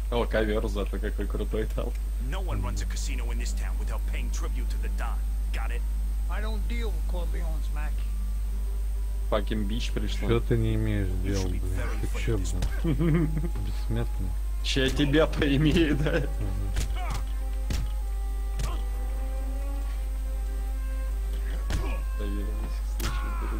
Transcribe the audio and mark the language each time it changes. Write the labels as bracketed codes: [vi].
[ru] Ковер за это какой крутой там. [en] No one runs a casino in this town without paying tribute to the Don. Got it? I don't deal with Corleone's Mac. Fucking bitch [ru] пришла. Что ты не имеешь дел, блин? Ты чё, блин? Бессмертный. Че я тебя поимею, да? Да я не слышу.